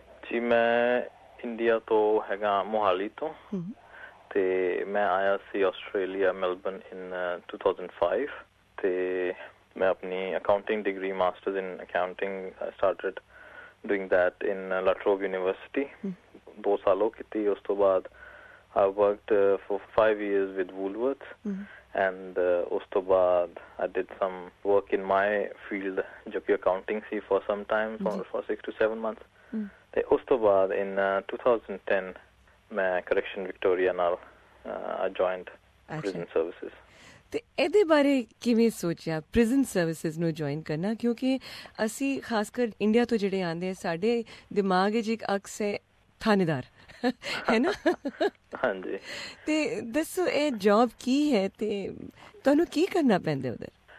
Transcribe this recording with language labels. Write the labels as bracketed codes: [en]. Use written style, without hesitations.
[pa] ਜੀ ਮੈਂ ਇੰਡੀਆ ਤੋਂ ਹੈਗਾ ਮੋਹਾਲੀ ਤੋਂ, ਤੇ ਮੈਂ ਆਇਆ ਸੀ ਆਸਟ੍ਰੇਲੀਆ ਮੈਲਬਰਨ ਇਨ 2005, ਤੇ ਮੈਂ ਆਪਣੀ accounting degree masters in accounting [en] started doing that [pa] in ਲਾਟਰੋਵ university, 2 ਸਾਲ ਉਹ ਕੀਤੀ। ਉਸ ਤੋਂ ਬਾਅਦ [en] I worked for 5 years with Woolworths, and [pa] ustobad [en] I did some work in my field [pa] jo ki accounting si [en] for some time, for 6 to 7 months. Then [pa] ustobad [en] in 2010 [pa] main [en] correction victoria [pa] nal [en] I joined prison services. [pa] ਤੇ ਇਹਦੇ ਬਾਰੇ ਕਿਵੇਂ ਸੋਚਿਆ prison services ਨੂੰ join ਕਰਨਾ? ਕਿਉਂਕਿ ਅਸੀਂ ਖਾਸ ਕਰ ਇੰਡੀਆ ਤੋਂ ਜਿਹੜੇ ਆਉਂਦੇ ਆ, ਸਾਡੇ ਦਿਮਾਗ 'ਚ ਇੱਕ ਅਕਸ ਹੈ ਥਾਣੇਦਾਰ, ਹੈ ਨਾ? ਹਾਂਜੀ। ਤੇ ਦੱਸੋ ਇਹ ਜੌਬ ਕੀ ਹੈ ਤੇ ਤੁਹਾਨੂੰ ਕੀ ਕਰਨਾ ਪੈਂਦਾ ਉਧਰ?